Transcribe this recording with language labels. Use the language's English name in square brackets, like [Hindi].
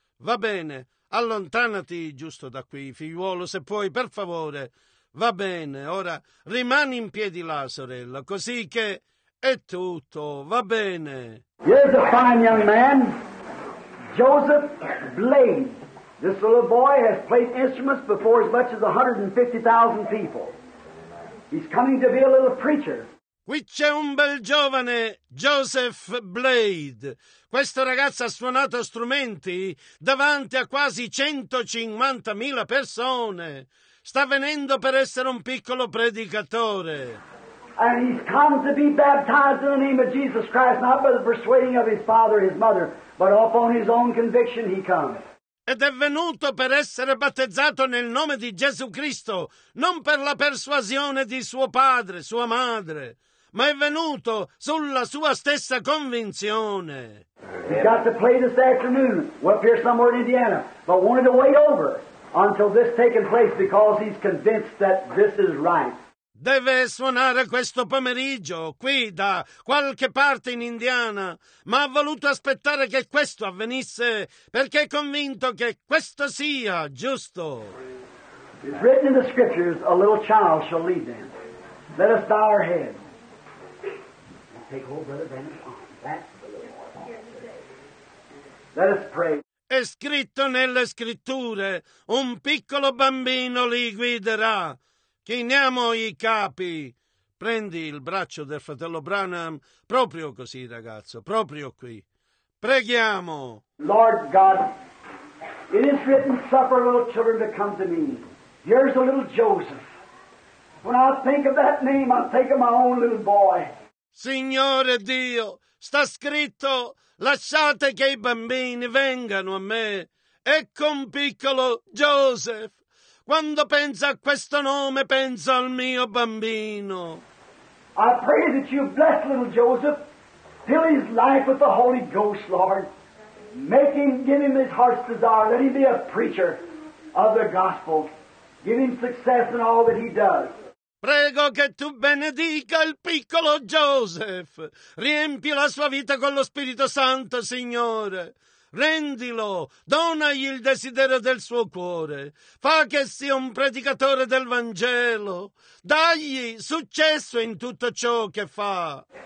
[Italian] Va bene, allontanati giusto da qui, figliuolo, se puoi, per favore. Va bene, ora rimani in piedi là, sorella, così che è tutto, va bene. [English] Here's a fine young man, Joseph Blade. This little boy has played instruments before as much as 150,000 people. He's coming to be a little preacher. [Italian] Qui c'è un bel giovane, Joseph Blade. Questo ragazzo ha suonato strumenti davanti a quasi 150,000 persone. Sta venendo per essere un piccolo predicatore. [English] And he's come to be baptized in the name of Jesus Christ, not by the persuading of his father, his mother, but upon his own conviction he comes. [Italian] Ed è venuto per essere battezzato nel nome di Gesù Cristo, non per la persuasione di suo padre, sua madre, ma è venuto sulla sua stessa convinzione. [English] He's got to play this afternoon up here somewhere in Indiana, but wanted to wait over until this taken place because he's convinced that this is right. [Italian] Deve suonare questo pomeriggio, qui, da qualche parte in Indiana, ma ha voluto aspettare che questo avvenisse, perché è convinto che questo sia giusto. [English] It's written in the scriptures, a little child shall lead them. Let us bow our head. And take hold, brother Bennett. Let us pray. [Italian] È scritto nelle scritture, un piccolo bambino li guiderà. Chiniamo i capi. Prendi il braccio del fratello Branham, proprio così, ragazzo, proprio qui. Preghiamo. [English] Lord God, it is written, suffer little children to come to me. Here's a little Joseph. When I think of that name, I think of my own little boy. [Italian] Signore Dio, sta scritto, lasciate che i bambini vengano a me. Ecco un piccolo Joseph. Quando penso a questo nome, penso al mio bambino. [English] I pray that you bless little Joseph, fill his life with the Holy Ghost, Lord. Make him, give him his heart's desire, let him be a preacher of the gospel. Give him success in all that he does. [Italian] Prego che tu benedica il piccolo Joseph. Riempi la sua vita con lo Spirito Santo, Signore. Rendilo, donagli il desiderio del suo cuore, fa che sia un predicatore del Vangelo, dagli successo in tutto ciò che fa.